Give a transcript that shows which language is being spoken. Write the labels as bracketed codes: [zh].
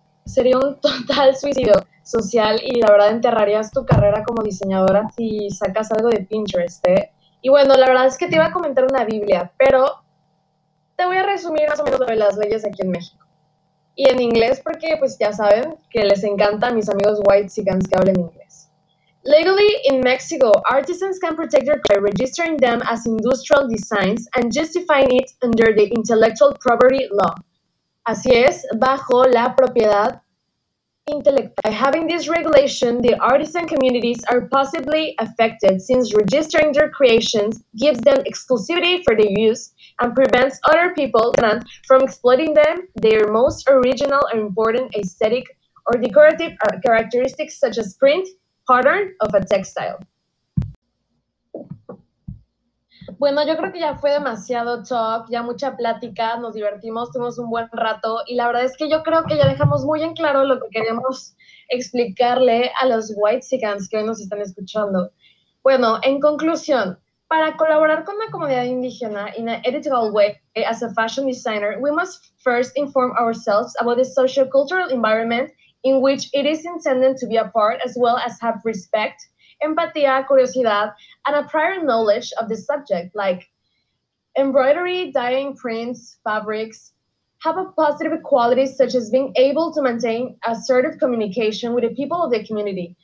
[es] Sería un total suicidio social y la verdad enterrarías tu carrera como diseñadora si sacas algo de Pinterest, ¿eh? Y bueno, la verdad es que te iba a comentar una biblia, pero te voy a resumir más o menos lo de las leyes aquí en México. Y en inglés, porque pues ya saben que les encanta a mis amigos white chicans que hablen inglés. [en] Legally, in Mexico, artisans can protect their creations by registering them as industrial designs and justifying it under the intellectual property law. [es] Así es, bajo la propiedad intelectual. [en] By having this regulation, the artisan communities are possibly affected since registering their creations gives them exclusivity for their use and prevents other people from exploiting them, their most original or important aesthetic or decorative characteristics such as print, pattern of a textile. [es] Bueno, yo creo que ya fue demasiado talk, ya mucha plática, nos divertimos, tuvimos un buen rato y la verdad es que yo creo que ya dejamos muy en claro lo que queremos explicarle a los whitexicans que hoy nos están escuchando. Bueno, en conclusión, para colaborar con la comunidad indígena [en] in an editorial way as a fashion designer, we must first inform ourselves about the sociocultural environment in which it is intended to be a part, as well as have respect, [es] empatía, curiosidad, [en] and a prior knowledge of the subject, like embroidery, dyeing, prints, fabrics, have a positive quality such as being able to maintain assertive communication with the people of the community.